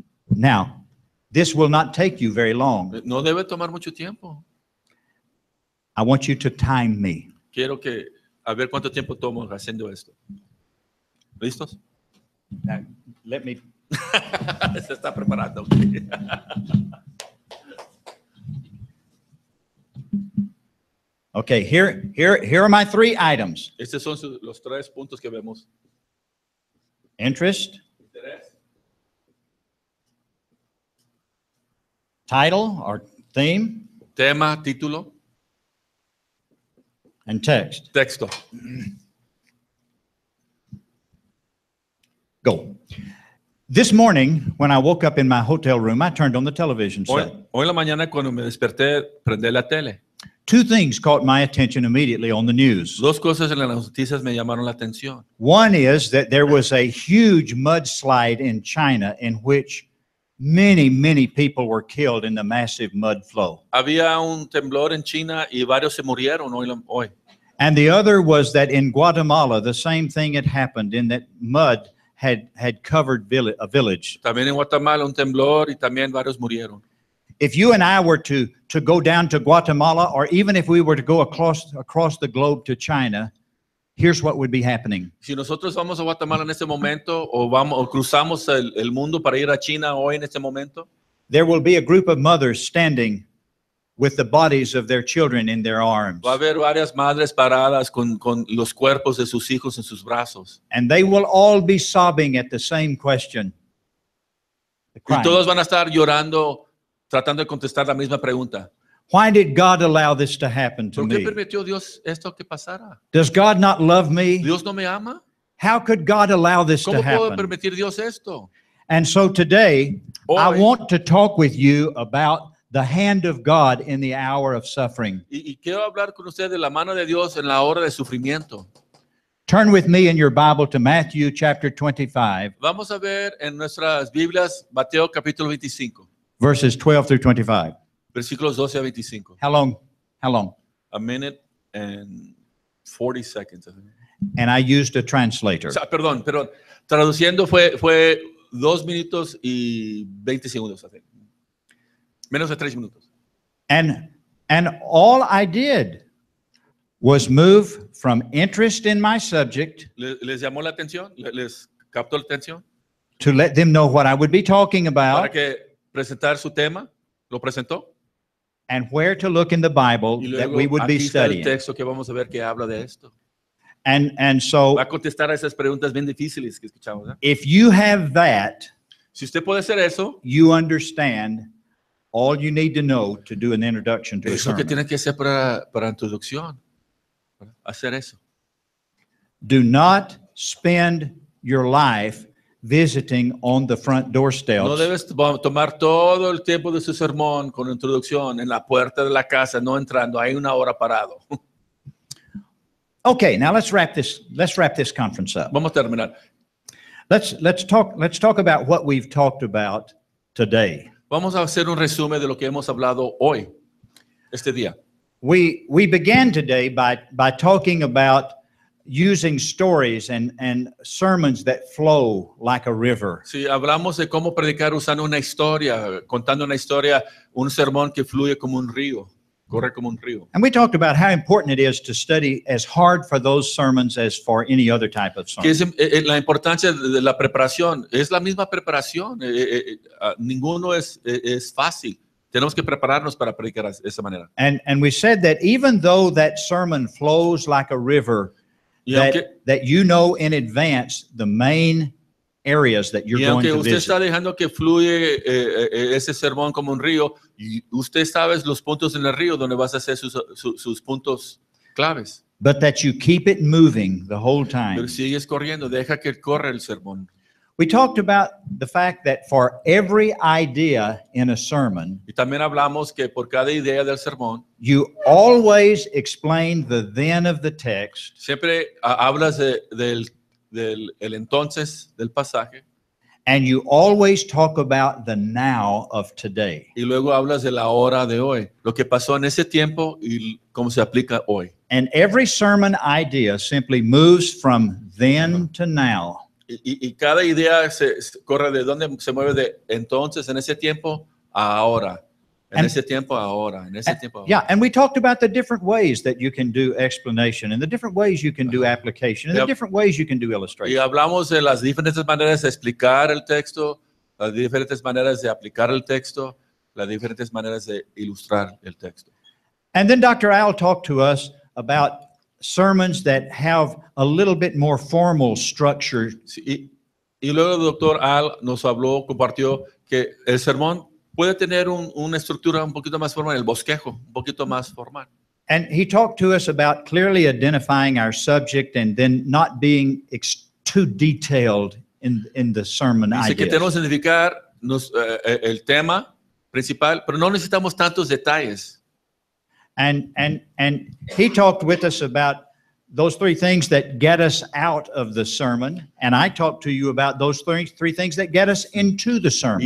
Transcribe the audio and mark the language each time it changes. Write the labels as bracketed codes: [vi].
[en] Now, this will not take you very long. [es] No debe tomar mucho tiempo. [en] I want you to time me. [es] Quiero que a ver cuánto tiempo tomo haciendo esto. ¿Listos? [en] Now, let me. [es] Se está preparando. [en] Okay, here are my three items. [es] Estos son los tres puntos que vemos. [en] Interest. [es] Interés. [en] Title or theme. [es] Tema, título. [en] And text. [es] Texto. [en] Go. This morning, when I woke up in my hotel room, I turned on the television set. [es] Hoy en la mañana cuando me desperté, prendí la tele. [en] two things caught my attention immediately on the news. [es] Dos cosas en las noticias me llamaron la atención. [en] One is that there was a huge mudslide in China in which many, many people were killed in the massive mud flow. [es] Había un temblor en China y varios se murieron hoy. [en] And the other was that in Guatemala, the same thing had happened in that mud had covered a village. [es] También en Guatemala un temblor y también varios murieron. [en] If you and I were to go down to Guatemala, or even if we were to go across the globe to China, here's what would be happening. [es] Si nosotros vamos a Guatemala en este momento, o cruzamos el mundo para ir a China hoy en este momento, [en] there will be a group of mothers standing with the bodies of their children in their arms. [es] Va a haber varias madres paradas con los cuerpos de sus hijos en sus brazos. [en] And they will all be sobbing at the same question. [es] Y todos van a estar llorando, tratando de contestar la misma pregunta. [en] Why did God allow this to happen to [es] ¿Por qué [en] me? [es] Permitió Dios esto que pasara? [en] Does God not love me? [es] ¿Dios no me ama? [en] How could God allow this [es] ¿Cómo [en] to happen? [es] ¿Puedo permitir Dios esto? [en] And so today, [es] hoy, [en] I want to talk with you about the hand of God in the hour of suffering. [es] Y quiero hablar con usted de la mano de Dios en la hora de sufrimiento. [en] Turn with me in your Bible to Matthew chapter 25. [es] Vamos a ver en nuestras Biblias Mateo capítulo 25. [en] Verses 12 through 25. [es] Versículos 12 a 25. [en] How long? A minute and 40 seconds. And I used a translator. [es] Perdón. Traduciendo fue 2 minutos y 20 segundos. Menos de 3 minutos. [en] And all I did was move from interest in my subject. [es] ¿Les llamó la atención? ¿Les captó la atención? [en] To let them know what I would be talking about. [es] Para que presentar su tema, lo presentó. [en] And where to look in the Bible [es] luego, [en] that we would be studying. [es] El texto que vamos a ver que habla de esto. [en] And so, [es] va a contestar a esas preguntas bien difíciles que escuchamos, ¿eh? [en] If you have that, [es] si usted puede hacer eso, [en] you understand all you need to know to do an introduction to a sermon. [es] Eso que tiene que hacer para introducción, ¿verdad? Hacer eso. [en] Do not spend your life visiting on the front doorsteps. [es] No debes tomar todo el tiempo de su sermón con introducción en la puerta de la casa, no entrando. Hay una hora parado. [en] Okay, now let's wrap this conference up. [es] Vamos a terminar. [en] Let's talk about what we've talked about today. [es] Vamos a hacer un resumen de lo que hemos hablado hoy, este día. [en] We began today by talking about using stories and sermons that flow like a river. [es] Sí, hablamos de cómo predicar usando una historia, contando una historia, un sermón que fluye como un río, corre como un río. [en] And we talked about how important it is to study as hard for those sermons as for any other type of sermon. [es] Que es la importancia de la preparación. Es la misma preparación. Ninguno es fácil. Tenemos que prepararnos para predicar de esa manera. [en] And we said that even though that sermon flows like a river, That you know in advance the main areas that you're going to visit. [es] Y aunque usted está dejando que fluye ese sermón como un río, usted sabe los puntos en el río donde vas a hacer sus puntos claves. [en] But that you keep it moving the whole time. [es] Pero sigues corriendo, deja que corra el sermón. [en] We talked about the fact that for every idea in a sermon, [es] y también hablamos que por cada idea del sermón, [en] you always explain the then of the text. [es] Siempre hablas del entonces del pasaje. [en] And you always talk about the now of today. [es] Y luego hablas de la hora de hoy, lo que pasó en ese tiempo y cómo se aplica hoy. [en] And every sermon idea simply moves from then to now. [es] Y cada idea se corre de donde se mueve de entonces en ese tiempo a ahora. En ese tiempo, ahora. [en] Yeah, and we talked about the different ways that you can do explanation and the different ways you can do application and the different ways you can do illustration. [es] Y hablamos de las diferentes maneras de explicar el texto, las diferentes maneras de aplicar el texto, las diferentes maneras de ilustrar el texto. [en] And then Dr. Al talked to us about sermons that have a little bit more formal structure. [es] Y luego el Dr. Al nos habló, compartió que el sermón puede tener una estructura un poquito más formal, el bosquejo, un poquito más formal. [en] And he talked to us about clearly identifying our subject and then not being too detailed in the sermon idea. [es] Dice que tenemos que identificar el tema principal, pero no necesitamos tantos detalles. [en] And he talked with us about those three things that get us out of the sermon. And I talked to you about those three things that get us into the sermon.